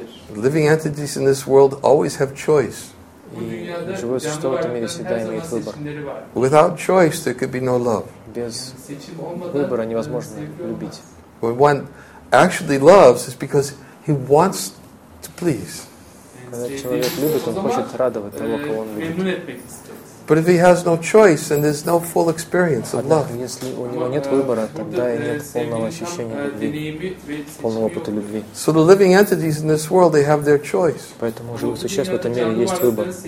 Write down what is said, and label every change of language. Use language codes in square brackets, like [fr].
[en] Living entities in this world always have choice. [ru] И живое существо в этом мире всегда имеет выбор. [en] Without choice, there could be no love. [ru] Без выбора невозможно любить. [en] When one actually loves, it's because he wants to please. [ru] Когда человек любит, он хочет радовать того, кого он любит. [en] But if he has no choice and there's no full experience of love. [ru] Если у него нет выбора, тогда и нет полного ощущения любви, полного опыта любви. [en] So the living entities in this world, they have their choice. [ru] Поэтому живые существа в этом мире есть выбор.